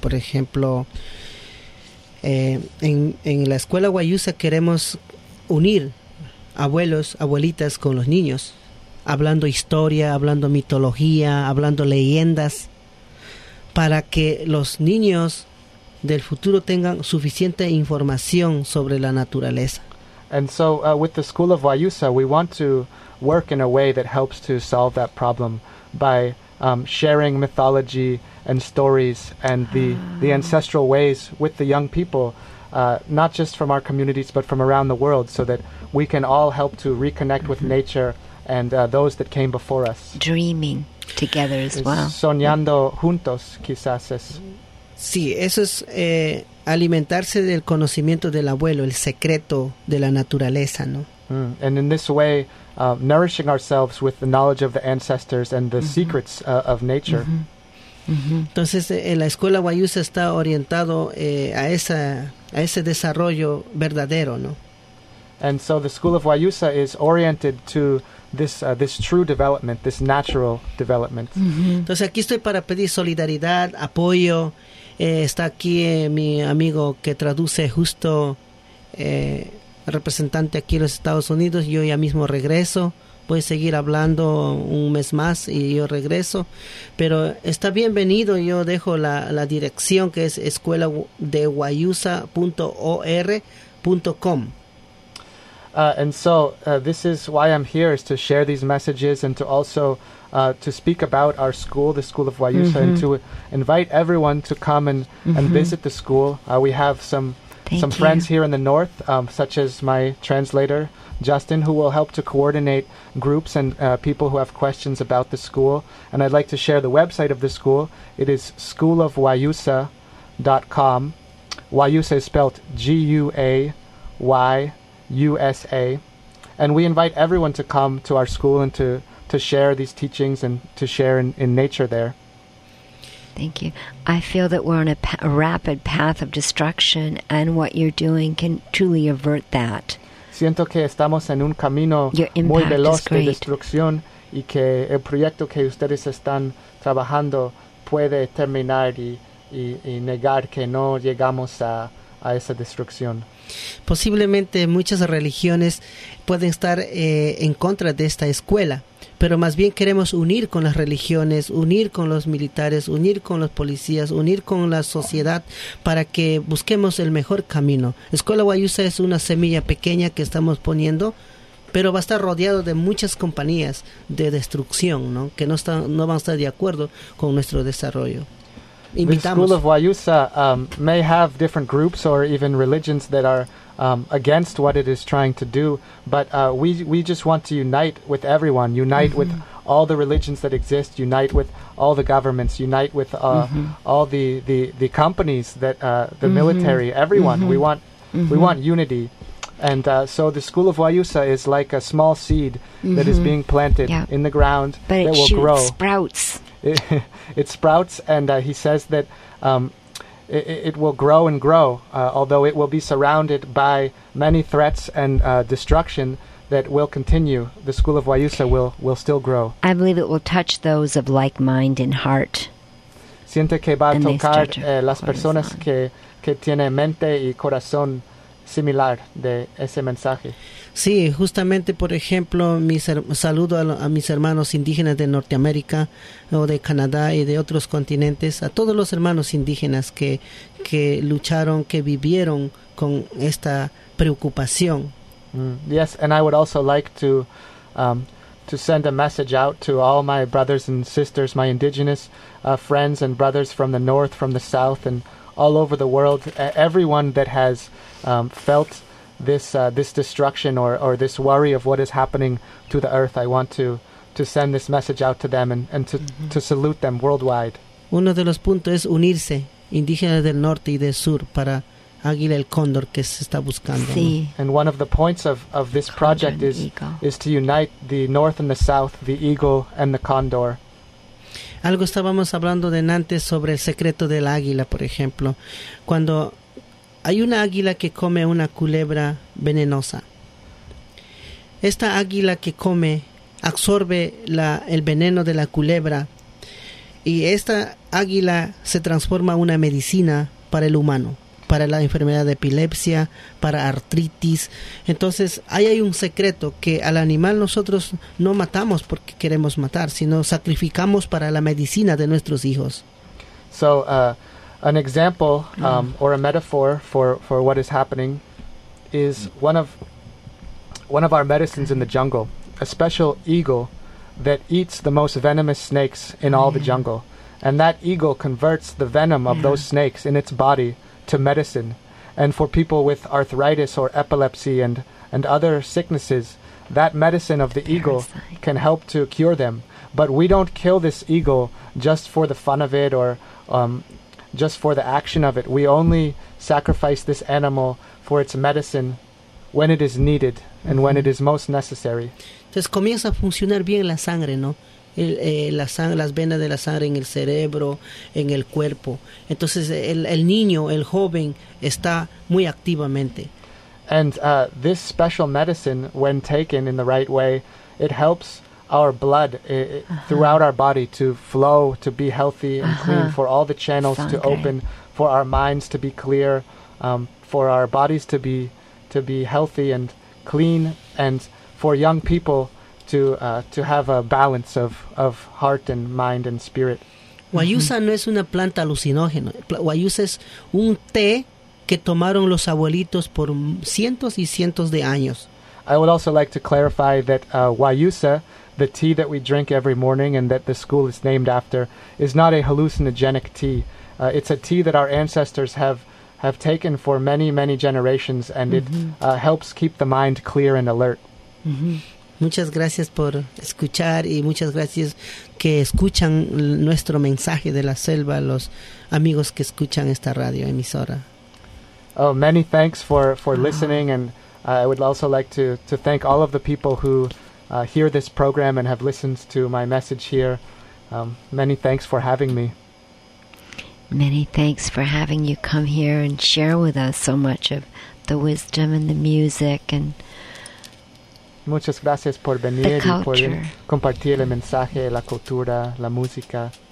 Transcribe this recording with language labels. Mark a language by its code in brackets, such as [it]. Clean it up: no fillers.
[es] Por ejemplo, en la escuela Guayusa queremos unir abuelos, abuelitas con los niños, hablando historia, hablando mitología, hablando leyendas, para que los niños del futuro tengan suficiente información sobre la naturaleza. [en] And so with the school of Guayusa, we want to work in a way that helps to solve that problem by sharing mythology and stories and the ancestral ways with the young people, not just from our communities but from around the world, so that we can all help to reconnect with nature and those that came before us. Dreaming together as well. [es] Soñando juntos, quizás es. Sí, eso es alimentarse del conocimiento del abuelo, el secreto de la naturaleza, ¿no? [en] And in this way, nourishing ourselves with the knowledge of the ancestors and the secrets of nature. [es] Entonces, en la escuela Guayusa está orientado a ese desarrollo verdadero, ¿no? [en] And so the school of Guayusa is oriented to this true development, this natural development. [es] Entonces, aquí estoy para pedir solidaridad, apoyo. Está aquí mi amigo que traduce justo representante aquí en los Estados Unidos. Yo ya mismo regreso, voy a seguir hablando un mes más y yo regreso, pero está bienvenido. Yo dejo la dirección, que es escueladeguayusa.or.com. [en] And so this is why I'm here, is to share these messages and to also to speak about our school, the School of Guayusa, and to invite everyone to come and visit the school. We have some friends here in the north, such as my translator, Justin, who will help to coordinate groups and people who have questions about the school. And I'd like to share the website of the school. It is schoolofguayusa.com. Guayusa is spelled G-U-A-Y-U-S-A. And we invite everyone to come to our school and to share these teachings and to share in nature there. Thank you. I feel that we're on a rapid path of destruction, and what you're doing can truly avert that. [es] Siento que estamos en un camino muy veloz de destrucción, y que el proyecto que ustedes están trabajando puede terminar y negar que no llegamos a esa destrucción. Posiblemente muchas religiones pueden estar en contra de esta escuela, pero más bien queremos unir con las religiones, unir con los militares, unir con los policías, unir con la sociedad, para que busquemos el mejor camino. Escuela Guayusa es una semilla pequeña que estamos poniendo, pero va a estar rodeado de muchas compañías de destrucción, ¿no? Que no van a estar de acuerdo con nuestro desarrollo. [en] The School of Guayusa may have different groups or even religions that are against what it is trying to do, but we just want to unite with everyone, unite mm-hmm. with all the religions that exist, unite with all the governments, unite with mm-hmm. all the companies that the mm-hmm. military, everyone. Mm-hmm. We want unity, and so the School of Wayusa is like a small seed mm-hmm. that is being planted yeah. in the ground, but that it will grow. Sprouts. It sprouts, and he says that. It will grow and grow, although it will be surrounded by many threats and destruction that will continue. The School of Wayusa will still grow. I believe it will touch those of like mind and heart. [es] Siente que va a tocar las personas que tienen mente y corazón similar de ese mensaje. Sí, justamente, por ejemplo, saludo a mis hermanos indígenas de Norteamérica o de Canadá y de otros continentes, a todos los hermanos indígenas que lucharon, que vivieron con esta preocupación. Mm. [en] Yes, and I would also like to send a message out to all my brothers and sisters, my indigenous friends and brothers from the north, from the south, and all over the world, everyone that has felt this destruction or this worry of what is happening to the earth. I want to send this message out to them and to mm-hmm. to salute them worldwide. [es] Uno de los puntos es unirse indígenas del norte y del sur para Águila el Cóndor que se está buscando. Sí. [en] And one of the points of this condor project is to unite the north and the south, the eagle and the condor. [es] Algo estábamos hablando de antes sobre el secreto del águila, por ejemplo. Cuando hay una águila que come una culebra venenosa. Esta águila que come absorbe el veneno de la culebra y esta águila se transforma en una medicina para el humano, para la enfermedad de epilepsia, para artritis. Entonces, ahí hay un secreto que al animal nosotros no matamos porque queremos matar, sino sacrificamos para la medicina de nuestros hijos. [en] So, an example or a metaphor for what is happening is one of our medicines in the jungle, a special eagle that eats the most venomous snakes in all the jungle. And that eagle converts the venom of those snakes in its body to medicine. And for people with arthritis or epilepsy and other sicknesses, that medicine of the eagle can help to cure them. But we don't kill this eagle just for the fun of it or just for the action of it. We only sacrifice this animal for its medicine when it is needed mm-hmm. and when it is most necessary. [es] Entonces comienza a funcionar bien la sangre, ¿no? Las venas de la sangre en el cerebro, en el cuerpo. Entonces el niño, el joven, está muy activamente. [en] And this special medicine, when taken in the right way, it helps our blood throughout our body to flow, to be healthy and clean, for all the channels to open, for our minds to be clear, for our bodies to be healthy and clean, and for young people to have a balance of heart and mind and spirit. [es] Wayusa no es una planta alucinógena. Wayusa es un té que tomaron los abuelitos por cientos y cientos de años. [en] I would also like to clarify that Wayusa, the tea that we drink every morning and that the school is named after, is not a hallucinogenic tea. It's a tea that our ancestors have taken for many, many generations, and mm-hmm. it helps keep the mind clear and alert. Mm-hmm. [es] Muchas gracias por escuchar y muchas gracias que escuchan nuestro mensaje de la selva, los amigos que escuchan esta radio emisora. [en] Oh, many thanks for listening, and I would also like to thank all of the people who hear this program and have listened to my message here. Many thanks for having me. Many thanks for having you come here and share with us so much of the wisdom and the music and [es] muchas gracias por venir y por compartir el mensaje, la cultura, la música.